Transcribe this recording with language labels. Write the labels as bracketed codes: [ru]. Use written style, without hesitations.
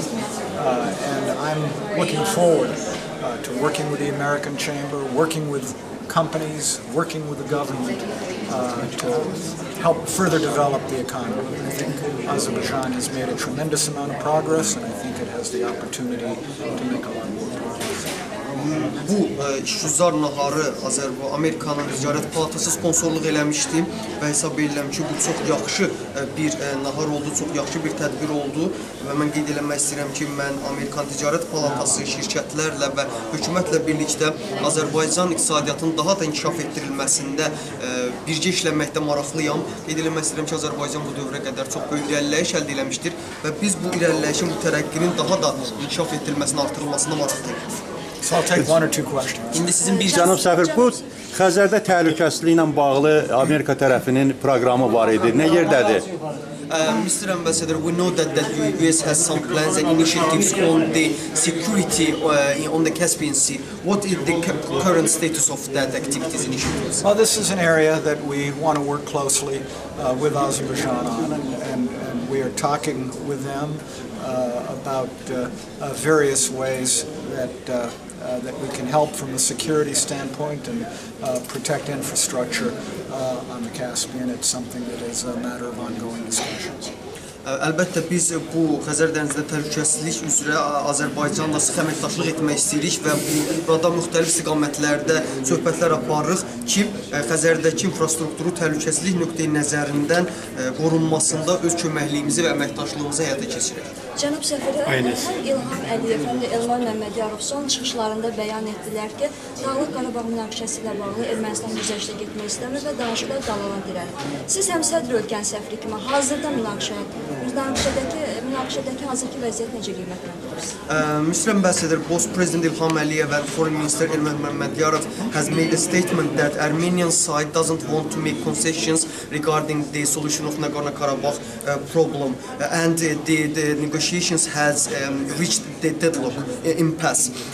[en] And I'm looking forward to working with the American Chamber, working with companies, working with the government to help further develop the economy. I think Azerbaijan has made a tremendous amount of progress, and I think it has the opportunity to make a lot more progress. [az] Bu işgüzar naharı Amerikanın Ticaret Palatası sponsorluq eləmişdi və hesab edirəm ki, bu çox yaxşı bir nahar oldu, çox yaxşı bir tədbir oldu və mən qeyd eləmək istəyirəm ki, mən Amerikan Ticaret Palatası şirkətlərlə və hökumətlə birlikdə Azərbaycan iqtisadiyyatının daha da inkişaf etdirilməsində birgə işləməkdə maraqlıyam. Qeyd eləmək istəyirəm ki, Azərbaycan bu dövrə qədər çox böyük irəliləyiş əldə eləmişdir və biz bu irəliləyişin, bu tərəqqinin daha da inkişaf etdirilməsini, artırılmasını maraqlıyıq. [en] So I'll take one or two questions. [az] İndi sizin bir cənab Səfir, bu Xəzərdə təhlükəsizliyi ilə bağlı Amerika tərəfinin proqramı var idi. Nə yerdədir? [en] Mr. Ambassador, we know that the U.S. has some plans and initiatives on the security on the Caspian Sea. What is the current status of that activities initiatives? Well, this is an area that we want to work closely with Azerbaijan on, and we are talking with them about various ways that we can help from a security standpoint and protect infrastructure on the Caspian. It's something that is a matter of ongoing discussions. [az] Əlbəttə, biz bu Xəzər dənizində təhlükəsizlik üzrə Azərbaycanla sıx əməkdaşlıq etmək istəyirik və burada müxtəlif istiqamətlərdə söhbətlər aparırıq ki, Xəzərdəki infrastrukturu təhlükəsizlik nöqteyi nəzərindən qorunmasında öz köməkliyimizi və əməkdaşlığımızı həyata keçirək. Cənab Səfir, İlham Əliyev həm də Elman Məmmədyarov son çıxışlarında bəyan etdilər ki, Dağlıq Qarabağ münaqişəsi ilə bağlı Ermənistan güzəşdə getmək istəmir və danışıqlar qalana dirək. Siz həm sədr ölkənin səfri kimi hazırda münaqişədəki hazırki vəziyyət necə qiymətləndirir? [en] Mr. Ambassador, both President Ilham Aliyev and Foreign Minister Ilham Mehmedyarov has made a statement that Armenian side doesn't want to make concessions regarding the solution of Nagorno-Karabakh problem, and the negotiations has reached the deadlock impasse.